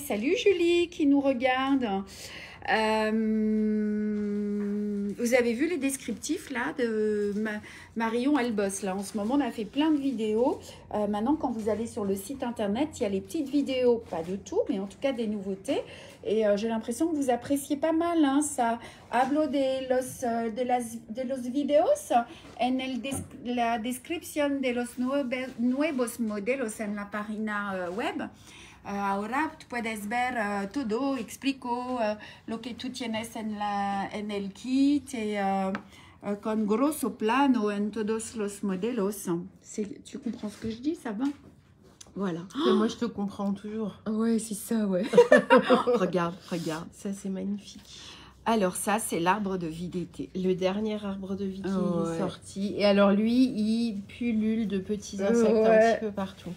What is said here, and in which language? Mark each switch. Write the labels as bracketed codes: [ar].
[fr] Salut Julie qui nous regarde. Vous avez vu les descriptifs là de Marion, elle bosse là en ce moment, on a fait plein de vidéos. Maintenant quand vous allez sur le site internet, il y a les petites vidéos, pas de tout mais en tout cas des nouveautés, et j'ai l'impression que vous appréciez pas mal hein, ça. [es] Hablo de los videos en el la descripción de los nuevos modelos en la página web. Ahora puedes ver todo, explico lo que tú tienes en el kit y con grosso plano en todos los modelos. [fr] Tu comprends ce que je dis, ça va? Voilà. Mais moi, je te comprends toujours. Ouais, c'est ça, ouais. regarde. Ça, c'est magnifique. Alors, ça, c'est l'arbre de vie d'été. Le dernier arbre de vie qui est sorti. Et alors, lui, il pullule de petits insectes un petit peu partout.